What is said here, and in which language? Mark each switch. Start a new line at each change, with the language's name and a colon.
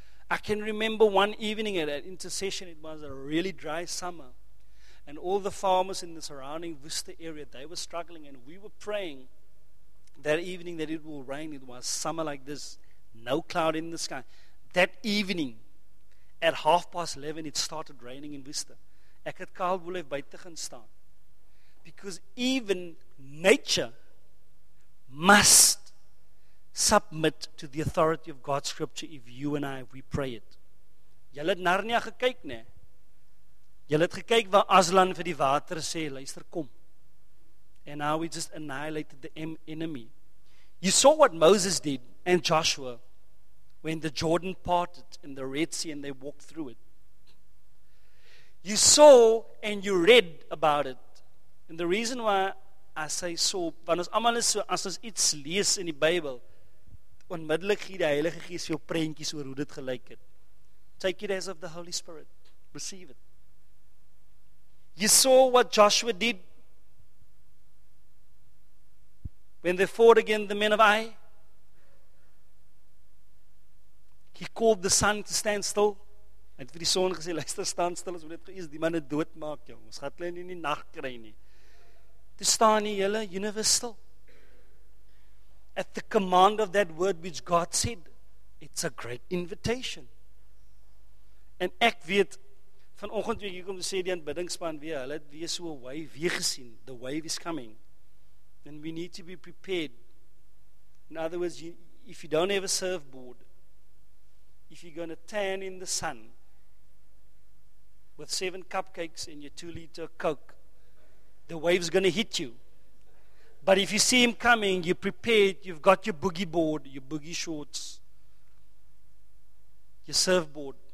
English: I can remember one evening at an intercession, it was a really dry summer, and all the farmers in the surrounding Worcester area, they were struggling, and we were praying that evening that it will rain. It was summer like this, no cloud in the sky. That evening, At 11:30, it started raining in Worcester.
Afrikaans: Ek het kaal wil hê buite gaan staan.
English: Because even nature must submit to the authority of God's scripture if you and I, we pray it.
Afrikaans: Julle het Narnia gekyk, né? Julle het gekyk waar Aslan vir die water sê, luister, kom.
English: And now we just annihilated the enemy. You saw what Moses did and Joshua when the Jordan parted in the Red Sea and they walked through it. You saw and you read about it. And the reason why I say so,
Afrikaans: want ons almal is so, as ons iets lees in die Bybel, onmiddellik gee die Heilige Gees jou prentjies oor hoe dit gelyk het.
English: Take it as of the Holy Spirit. Receive it. You saw what Joshua did when they fought against the men of Ai. He called the sun to stand still.
Afrikaans: Hy het vir die son gesê, luister,
English: stand still,
Afrikaans: as moet dit die manne doodmaak, jong. Ons gaat hulle in die nacht kry nie. To staan die hele universe still.
English: At the command of that word which God said, it's a great invitation.
Afrikaans: En ek weet, vanoggend toe ek hier kom, sê die aanbiddingsspan weer, hulle het weer so 'n wave weer gesien.
English: The wave is coming. And we need to be prepared. In other words, if you don't have a surfboard, if you're going to tan in the sun with 7 cupcakes and your 2-liter Coke, the wave's going to hit you. But if you see him coming, you're prepared, you've got your boogie board, your boogie shorts, your surfboard.